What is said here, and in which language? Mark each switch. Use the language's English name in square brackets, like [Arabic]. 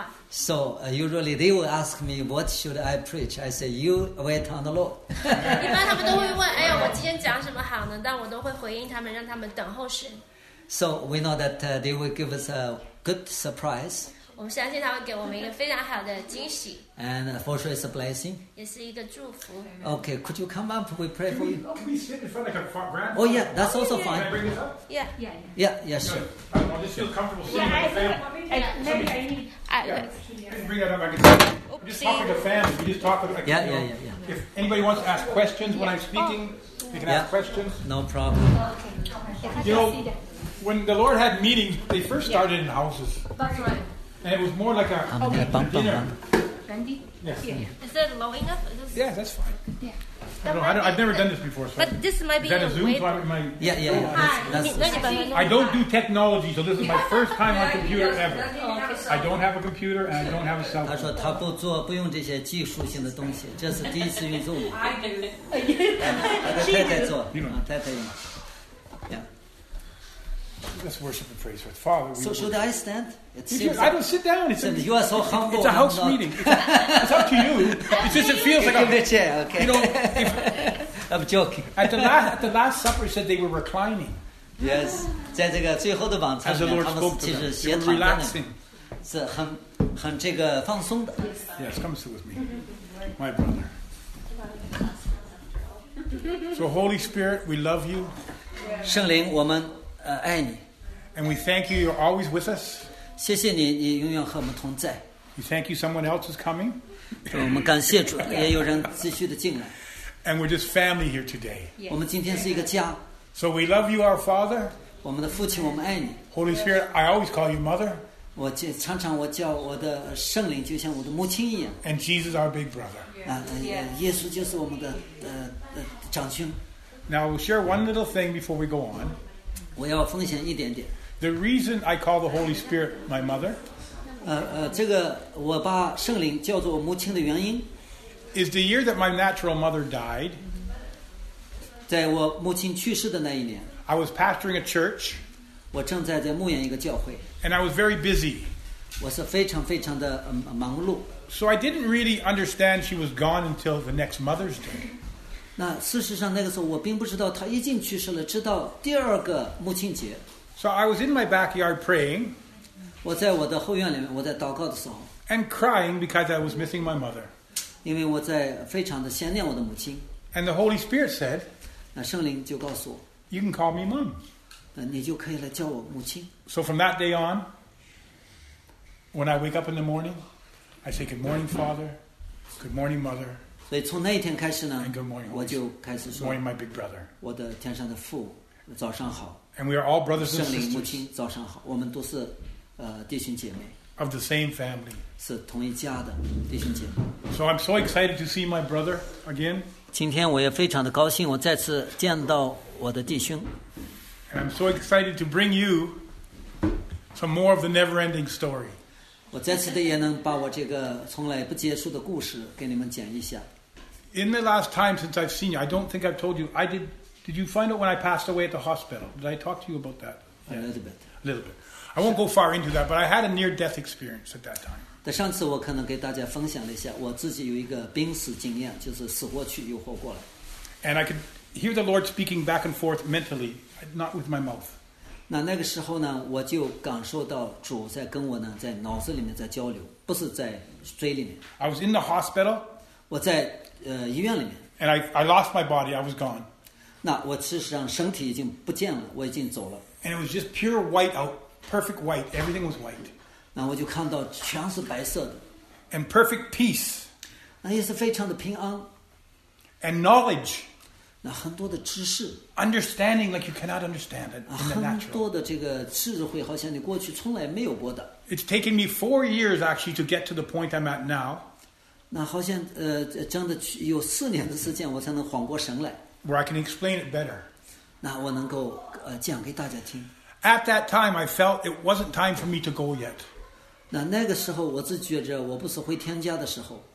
[English] So usually they will ask me, what should I preach? I say, you wait on the Lord. [Chinese] 一般他们都会问，哎呀，我今天讲什么好呢？但我都会回应他们，让他们等候神。 [English] So we know that they will give us a good surprise. [Chinese] 我们相信他会给我们一个非常好的惊喜。 [English] And for sure it's a blessing. Okay, could you come up? We pray for you. Can we sit in front of like a grandpa? Oh, yeah, that's also fine. Can I bring this up? Yeah, sure. I'll just feel comfortable sitting with the family. I can bring that up. I'm just talking to the family. We just talk with like, yeah. If anybody wants to ask questions when I'm speaking, you can ask questions. No problem. When the Lord had meetings, they first started in houses. That's right. And it was more like a dinner. Randy? Yes. Is that low enough? That's fine. Yeah. I've never done this before. So but this might be is that a Zoom? Way... So my... Yeah. I don't do technology, so this is my first time on computer ever. I don't have a computer and I don't have a cell phone. [Chinese] 他说他不做不用这些技术性的东西，这是第一次用 Zoom. [English] I do. [Chinese] 他的太太做，太太用。 [English] Let's worship and praise with Father. So should I stand? I don't sit down. You are so humble. It's a house meeting. It's up to you. It just feels like a chair. Okay. You know, I'm joking. At the last supper, said they were reclining. Yes. [Chinese] 在这个最后的晚餐里面，他们其实斜躺着呢，是很这个放松的。 [English] Yes, come sit with me, my brother. So Holy Spirit, we love you. [Chinese] 圣灵，我们。爱你。 [English] And we thank you, you're always with us. [Chinese] 谢谢你，你永远和我们同在。 [English] We thank you, someone else is coming. [Chinese] 我们感谢主，也有人继续的进来。 [English] And we're just family here today. [Chinese] 我们今天是一个家。 [English] So we love you, our Father. [Chinese] 我们的父亲，我们爱你。 [English] Holy Spirit, I always call you mother. [Chinese] 我常常我叫我的圣灵就像我的母亲一样。 [English] And Jesus, our big brother. [Chinese] 耶稣就是我们的长兄。 [English] Now we'll share one little thing before we go on. [Chinese] 我要奉献一点点。 [English] The reason I call the Holy Spirit my mother, [Chinese] 这个我把圣灵叫做我母亲的原因 [English] ，is the year that my natural mother died. [Chinese] 在我母亲去世的那一年 [English] ，I was pastoring a church. [Chinese] 我正在牧养一个教会。 [English] And I was very busy. [Chinese] 我是非常非常的忙碌。 [English] So I didn't really understand she was gone until the next Mother's Day. [Chinese] 那事实上那个时候我并不知道他已经去世了直到第二个母亲节 [English] So I was in my backyard praying [Chinese] 我在我的后院里面我在祷告的时候 [English] And crying because I was missing my mother [Chinese] 因为我在非常的想念我的母亲 [English] And the Holy Spirit said [Chinese] 那圣灵就告诉我 [English] You can call me mom [Chinese] 那你就可以来叫我母亲 [English] So from that day on When I wake up in the morning I say good morning father Good morning mother [Chinese] 所以从那一天开始呢 [English] And good morning, [Chinese] 我就开始说 [English] morning, my big brother. [Chinese] 我的天上的父早上好 [English] And we are all brothers [Chinese] 圣灵母亲早上好我们都是弟兄姐妹 [English] of the same family. [Chinese] 是同一家的弟兄姐妹 [English] So I'm so excited to see my brother again [Chinese] 今天我也非常的高兴，我再次见到我的弟兄。 [English] And I'm so excited to bring you some more of the never-ending story. [Chinese] 我再次的也能把我这个从来不结束的故事给你们讲一下。 [English] In the last time since I've seen you, I don't think I've told you. I did. Did you find out when I passed away at the hospital? Did I talk to you about that? A little bit. I won't go far into that, but I had a near-death experience at that time. [Chinese] 在上次我可能给大家分享了一下我自己有一个濒死经验，就是死过去又活过来。 [English] And I could hear the Lord speaking back and forth mentally, not with my mouth. [Chinese] 那个时候呢，我就感受到主在跟我呢在脑子里面在交流，不是在嘴里面。 [English] I was in the hospital. [Chinese] 我在医院里面。 [English] And I lost my body. I was gone. [Chinese] 那我事实上身体已经不见了，我已经走了。 [English] And it was just pure white out, perfect white. Everything was white. [Chinese] 那我就看到全是白色的 [English] ，and perfect peace， [Chinese] 那也是非常的平安 [English] ，and knowledge， [Chinese] 那很多的知识 [English] ，understanding like you cannot understand it in the natural， [Chinese] 很多的这个智慧好像你过去从来没有过的。 [English] It's taken me 4 years actually to get to the point I'm at now。 [Chinese] 那好像真的有4年的时间我才能缓过神来。 [English] Where I can explain it better。 [Chinese] 那我能够讲给大家听。 [English] At that time, I felt it wasn't time for me to go yet. [Chinese] 那个时候，我自觉着我不是回天家的时候。